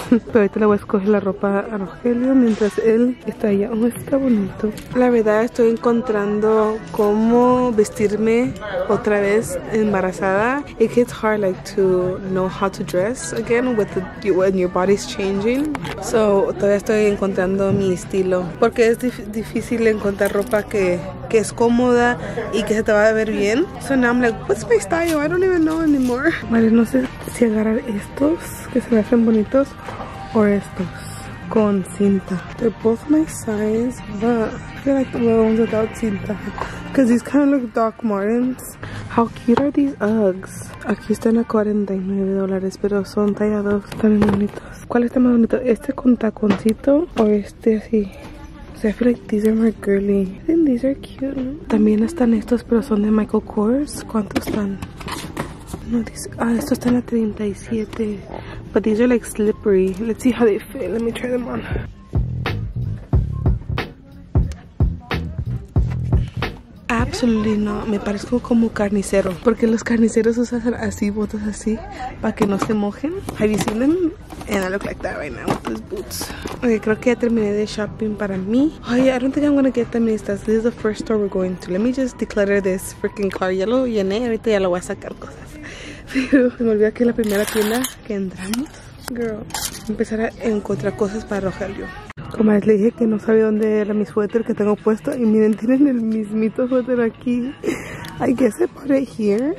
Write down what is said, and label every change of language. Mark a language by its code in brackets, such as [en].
[es] Pero ahorita le voy a escoger la ropa a Rogelio mientras él está allá. Oh, está bonito. La verdad, estoy encontrando cómo vestirme otra vez embarazada. [en] It gets hard like to know how to dress again with the, when your body's changing. [es] So todavía estoy encontrando mi estilo. Porque es difícil encontrar ropa que es cómoda y que se te va a ver bien. [en] So now I'm like, what's my style? I don't even know anymore. [es] Madre, no sé si agarrar estos que se me hacen bonitos o estos con cinta. [en] They're both my size, but I feel like the ones without cinta. Because these kind of look Doc Martens. How cute are these Uggs? [es] Aquí están a $49, pero son tallados también bonitos. ¿Cuál está más bonito? ¿Este con taconcito o este así? [en] So I feel like these are more girly. I think these are cute. [es] También están estos, pero son de Michael Kors. ¿Cuántos están? No, estos están a 37. [en] But these are like slippery. Let's see how they fit. Let me try them on. Absolutely not. [es] Me parezco como carnicero. Porque los carniceros usan así, botas así, para que no se mojen. [en] Have you seen them? And I look like that right now with these boots. [es] Okay, creo que ya terminé de shopping para mí. [en] Oh yeah, I don't think I'm gonna get them in estas. This is the first store we're going to. Let me just declutter this freaking car. [es] Ya lo llené, ahorita ya lo voy a sacar cosas. Pero se me olvidó que es la primera tienda que entramos. Girl, empezar a encontrar cosas para Rogelio. Como les dije que no sabía dónde era mi suéter que tengo puesto. Y miren, tienen el mismito suéter aquí. [en] I guess I put it here.